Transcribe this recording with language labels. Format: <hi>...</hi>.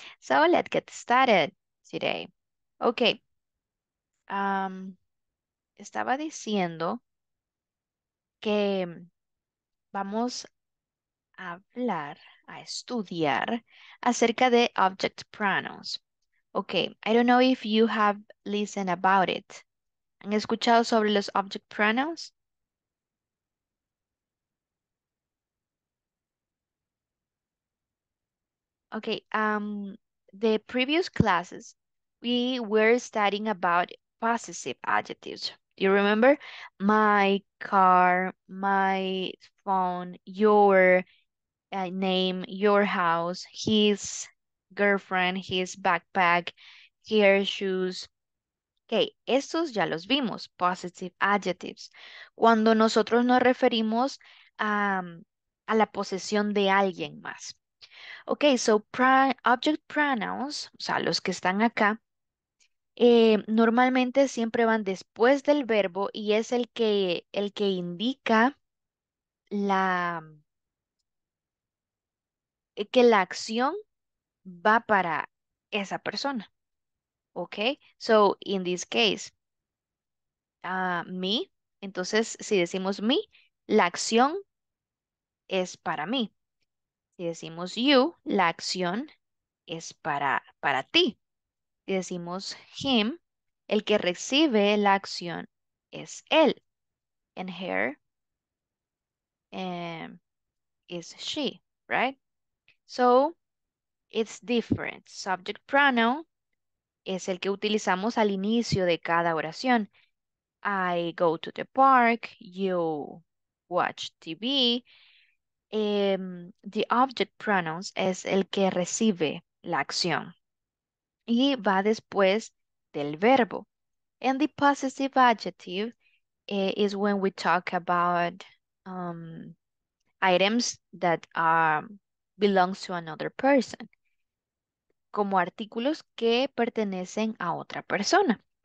<en>So let's get started today. Okay.</en> <es>Estaba diciendo que vamos a hablar, a estudiar acerca de object pronouns.</es> <en>Okay, I don't know if you have listened about it.</en> <es>¿Han escuchado sobre los</es> <en>object pronouns? Okay, the previous classes we were studying about possessive adjectives. You remember? My car, my phone, your name, your house, his girlfriend, his backpack, her shoes.</en> <es>Okay, estos ya los vimos, possessive adjectives. Cuando nosotros nos referimos a la posesión de alguien más. Okay, so object pronouns, o sea, los que están acá, normalmente siempre van después del verbo y es el que indica que la acción va para esa persona. Ok,</es> <en>so in this case,</en> <es>me, entonces si decimos me, la acción es para mí. Si decimos you, la acción es para ti. Si decimos him, el que recibe la acción es él.</es> <en>And her is she, right? So it's different. Subject pronoun</en> <es>es el que utilizamos al inicio de cada oración.</es> <en>I go to the park, you watch TV.</en> <es>The object pronouns es el que recibe la acción y va después del verbo.</es> <en>And the possessive adjective is when we talk about items that belongs to another person,</en> <es>como artículos que pertenecen a otra persona.</es>